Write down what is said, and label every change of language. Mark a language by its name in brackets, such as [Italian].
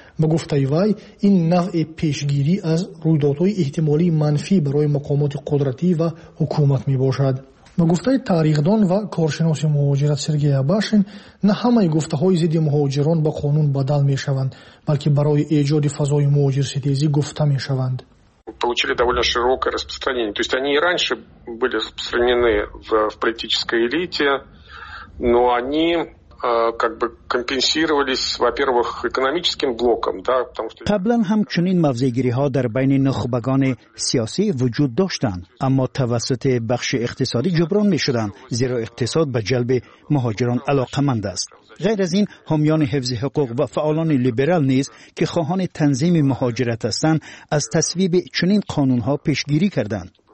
[Persian] به گفته وی این نوع پیشگیری از رویدادهای احتمالی منفی برای مقامات قدرتی و حکومت میباشد. به گفته تاریخدان و کارشناس مهاجرت سرگئی آباشین، نه همه گفته‌های ضد مهاجران به قانون بدل می‌شوند، بلکه برای ایجاد فضای مهاجرستیزی گفته می‌شوند. [Russian] получили довольно широкое распространение. То есть они и раньше были распространены в политической элите, но они как бы компенсировались, во-первых, экономическим блоком, да, потому что [Persian] قبلن همچنین موضع‌گیری‌ها در بین نخبگان سیاسی وجود داشتند، اما توسط بخش اقتصادی جبران می‌شدند، زیرا اقتصاد به جلب مهاجران علاقه‌مند است. غیر از این، حامیان حفظ حقوق و فعالان لیبرال نیز که خواهان تنظیم مهاجرت هستند، از تصویب چنین قانون‌ها پیشگیری کردند.